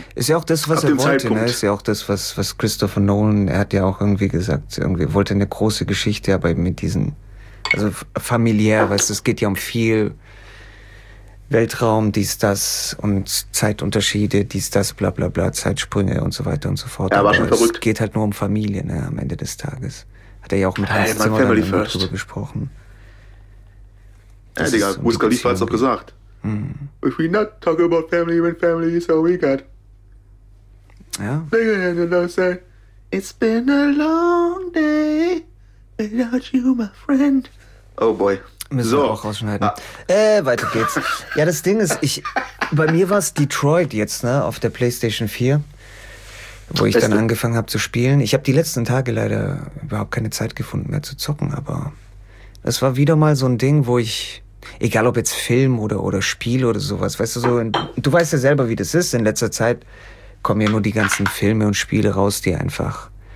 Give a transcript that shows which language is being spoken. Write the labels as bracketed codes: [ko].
[de] ist ja auch das, was er wollte. Ne? Ist ja auch das, was Christopher Nolan, er hat ja auch irgendwie gesagt, irgendwie wollte eine große Geschichte, aber mit diesen also familiär, weißt du, es geht ja um viel Weltraum, dies, das und Zeitunterschiede, dies, das, bla, bla, bla, Zeitsprünge und so weiter und so fort. Ja, war schon verrückt. Es geht halt nur um Familie, ne, am Ende des Tages. Hat er ja auch mit Hans Zimmer darüber gesprochen. Ja, Digga, Wiz Khalifa hat es auch gesagt. [en] If we not talk about family, when family is all we got. [de] Ja. [en] Digga, it's been a long day. Without you, my friend. Oh boy. [de] Müssen so. Wir auch rausschneiden. Ah. Weiter geht's. Ja, das Ding ist, bei mir war es Detroit jetzt, ne, auf der PlayStation 4, wo ich dann angefangen habe zu spielen. Ich habe die letzten Tage leider überhaupt keine Zeit gefunden mehr zu zocken, aber es war wieder mal so ein Ding, wo ich, egal ob jetzt Film oder Spiel oder sowas, weißt du, so, du weißt ja selber, wie das ist. In letzter Zeit kommen ja nur die ganzen Filme und Spiele raus, die einfach